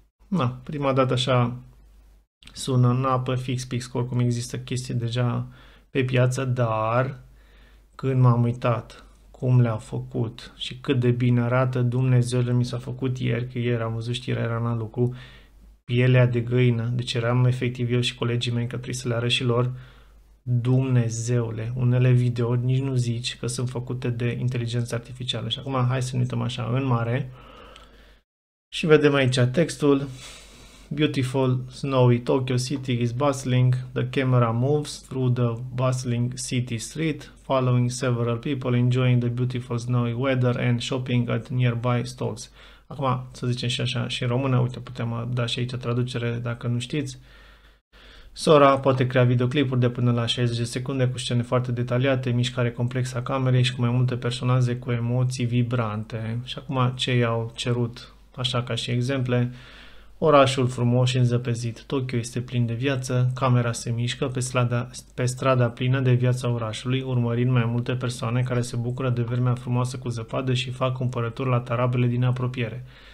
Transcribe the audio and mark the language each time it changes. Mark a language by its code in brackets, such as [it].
[ro] Na, prima dată așa sună în apă fix pix cor, cum există chestii deja pe piață, dar când m-am uitat cum le-au făcut și cât de bine arată, Dumnezeule, mi s-a făcut ieri, că ieri am văzut știrea, era în lucru, pielea de găină, deci eram efectiv eu și colegii mei că trebuie să le arăt și lor, Dumnezeule, unele videouri nici nu zici că sunt făcute de inteligență artificială. Și acum hai să ne uităm așa în mare. Și vedem aici textul, [en] beautiful, snowy Tokyo city is bustling, the camera moves through the bustling city street, following several people enjoying the beautiful snowy weather and shopping at nearby stalls. [ro] Acum, să zicem și așa și în română, uite, putem da și aici traducere dacă nu știți. Sora poate crea videoclipuri de până la 60 de secunde cu scene foarte detaliate, mișcare complexă a camerei și cu mai multe personaje cu emoții vibrante. Și acum ce i-au cerut? Așa ca și exemple, orașul frumos și înzăpezit, Tokyo este plin de viață, camera se mișcă pe strada plină de viața orașului, urmărind mai multe persoane care se bucură de vremea frumoasă cu zăpadă și fac cumpărături la tarabele din apropiere.